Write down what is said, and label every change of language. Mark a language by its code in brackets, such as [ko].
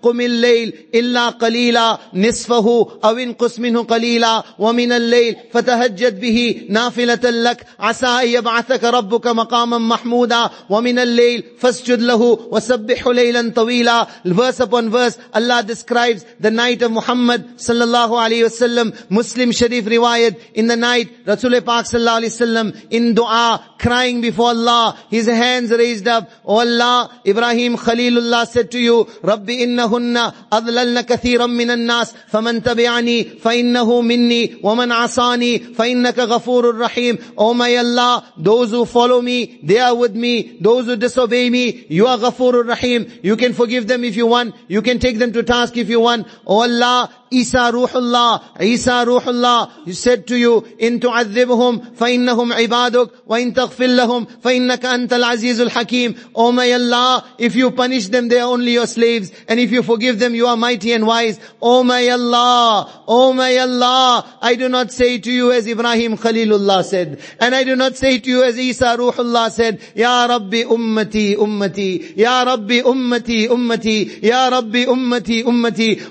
[ar] قُمِ اللَّيْلِ إِلَّا قَلِيلًا نِصْفَهُ أَوِنْ قُسْمِ منه قليلا ومن الليل فتهجد به نافلة لك عسى أن يبعثك ربك مقاما محمودا ومن الليل فاسجد له وسبح ليلا طويلا. [en] Verse upon verse, Allah describes the night of Muhammad sallallahu alayhi wa sallam. Muslim Sharif riwayat, in the night Rasulullah Pak sallallahu alayhi wa sallam, in dua, crying before Allah, his hands raised up, oh Allah, Ibrahim Khalilullah said to you, [ar] Rabbi innahunna adlalna kathiran minan nas faman tabi'ani فَإِنَّهُ مِنِّي وَمَنْ عَصَانِي فَإِنَّكَ غَفُورُ الرَّحِيمُ. [en] Oh my Allah, those who follow me, they are with me. Those who disobey me, you are [ar] غَفُورُ الرَّحِيمُ. [en] You can forgive them if you want. You can take them to task if you want. Oh Allah, Isa Ruhullah, he said to you, [ar] إِن تُعَذِّبْهُمْ فَإِنَّهُمْ عِبَادُكْ وَإِن تَغْفِرْ لَهُمْ فَإِنَّكَ أَنْتَ الْعَزِيزُ الْحَكِيمُ. [en] Oh my Allah, if you punish them, they are only your slaves. And if you forgive them, you are mighty and wise. Oh my Allah, oh my Allah, I do not say to you as Ibrahim Khalilullah said. And I do not say to you as Isa Ruhullah said, [ar] Ya Rabbi Ummati Ummati, [en] Ya Rabbi Ummati Ummati, Ya Rabbi Ummati Ummati.